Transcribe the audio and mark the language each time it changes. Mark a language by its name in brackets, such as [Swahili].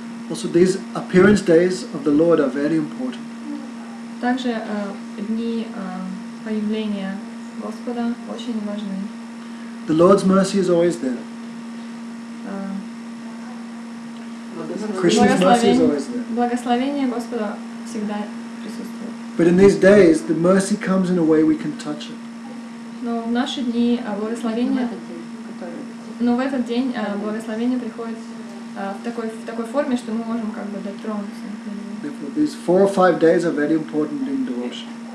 [English] Also, these appearance days of the Lord are very important. [Russian] Также дни появления Господа очень важны. [English] The Lord's mercy is always there. Krishna's mercy is always there. [Russian] Благословение Господа всегда присутствует. [English] But in these days, the mercy comes in a way we can touch it. [Russian] Но в наши дни благословение. Но в этот день благословение приходит. в такой форме, что мы можем как бы дотронуться. [English] These 4 or 5 days are very important in devotion.